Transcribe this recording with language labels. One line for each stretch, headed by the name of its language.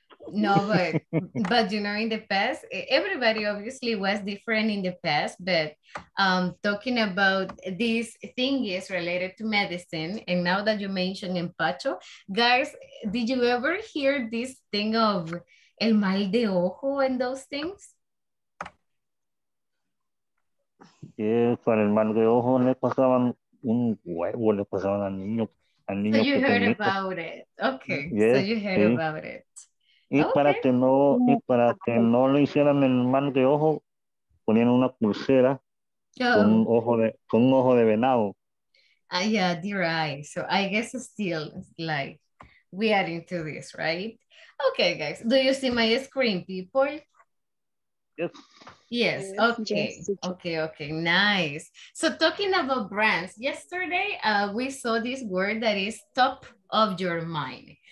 English: No, but you know, in the past, everybody obviously was different in the past, but talking about this thing is related to medicine. And now that you mentioned empacho, guys, did you ever hear this thing of el mal de ojo and those things?
Spanish: Yes, para el mal de ojo le pasaban un huevo, le pasaban al niño.
English: So you heard about it. Okay, yes, so you heard about it.
Spanish: Y para que no le hicieran el mal de ojo, ponían una pulsera con un ojo de venado.
English: Yeah, dear eye. So I guess still we are into this, right? Okay, guys. Do you see my screen, people? Yes. Yes. Okay. Yes. Okay. Nice. So talking about brands, yesterday we saw this word that is top of your mind.